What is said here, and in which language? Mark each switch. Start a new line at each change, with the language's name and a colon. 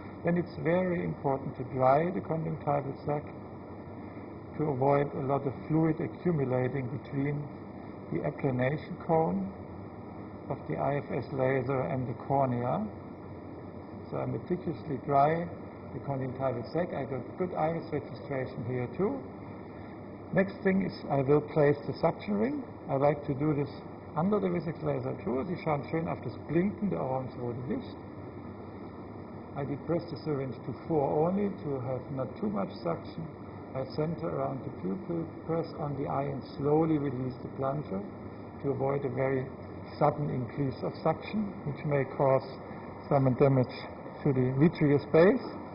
English: Then it's very important to dry the conjunctival sac to avoid a lot of fluid accumulating between the eclination cone of the IFS laser and the cornea. So I meticulously dry the conjunctival sac. I got good iris registration here too. Next thing is I will place the suction ring. I like to do this under the Visx laser too.
German: Sie schauen schön auf das Blinken der orange-rote Licht.
English: I depress the syringe to 4 only to have not too much suction. I center around the pupil, press on the eye and slowly release the plunger to avoid a very sudden increase of suction, which may cause some damage to the vitreous base.